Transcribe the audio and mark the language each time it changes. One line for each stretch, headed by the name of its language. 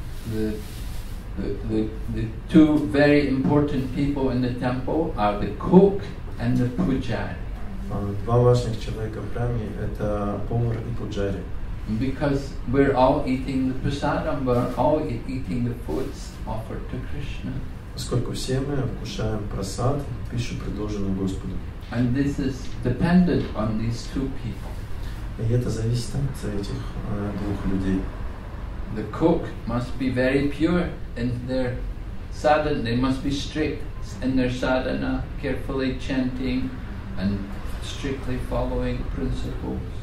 English: The two very important people in the temple are the cook and the pujari.
Russian: Два важных человека в храме – это повар и пуджари.
English: Because we're all eating the prasadam, we're all eating the foods offered to Krishna.
Russian: Поскольку все мы вкушаем прасад, пищу, предложенную Господу.
English: And this is dependent on these two people.
Russian: И это зависит от этих двух людей.
English: The cook must be very pure in their sadhana. They must be strict in their sadhana, carefully chanting and strictly following principles.